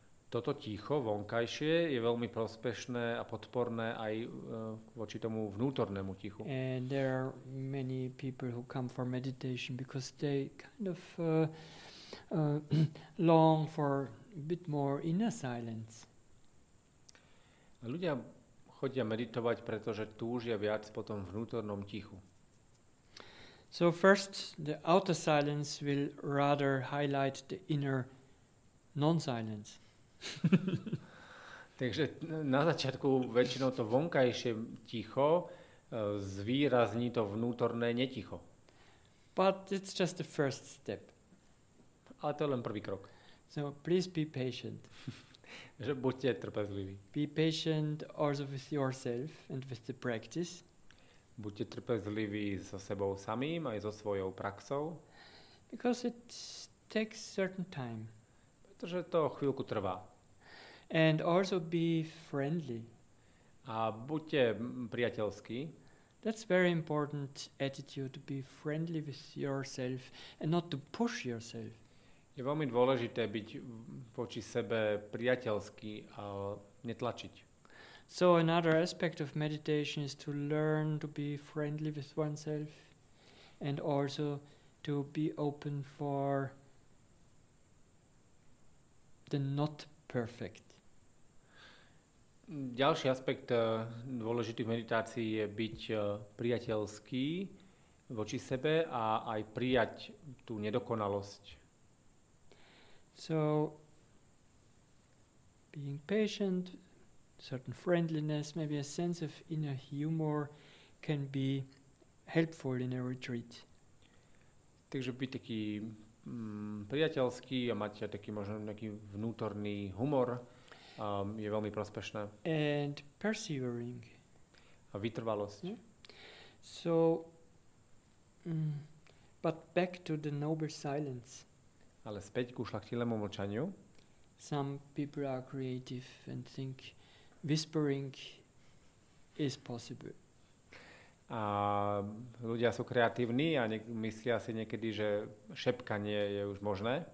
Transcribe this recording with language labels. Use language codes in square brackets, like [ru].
[sk] Toto ticho vonkajšie je veľmi prospešné a podporné aj voči tomu vnútornému tichu. [en] And there are many people who come for meditation because they kind of long for a bit more inner silence. [sk] A ľudia chodia meditovať, pretože túžia viac po tom vnútornom tichu. [en] So first the outer silence will rather highlight the inner non-silence. [sk] Takže na začiatku väčšinou to vonkajšie ticho zvýrazní to vnútorné neticho. [en] But it's just the first step. [sk] Ale to je len prvý krok. [en] So please be patient. [sk] Že buďte trpezliví. [en] Be patient also with yourself and with the practice. [sk] Buďte trpezliví so sebou samým aj so svojou praxou. [en] Because it takes certain time. [sk] Pretože to chvíľku trvá. [en] And also be friendly. [sk] A buďte priateľskí. [en] That's very important attitude, to be friendly with yourself and not to push yourself. [sk] Je veľmi dôležité byť voči sebe priateľský a netlačiť. [en] So another aspect of meditation is to learn to be friendly with oneself and also to be open for the not perfect. [sk] Ďalší aspekt dôležitý v meditácii je byť priateľský voči sebe a aj prijať tú nedokonalosť. [en] So being patient, certain friendliness, maybe a sense of inner humor can be helpful in a retreat. [sk] Takže byť taký priateľský a mať taký možno nejaký vnútorný humor je veľmi prospešné. [en] And persevering. [sk] A vytrvalosť. Yeah. [en] So, but back to the noble silence. [sk] Ale späť k ušlachtilému mlčaniu. [en] Some people are creative and think whispering is possible. [sk] A ľudia sú kreatívni a myslia si niekedy, že šepkanie je už možné.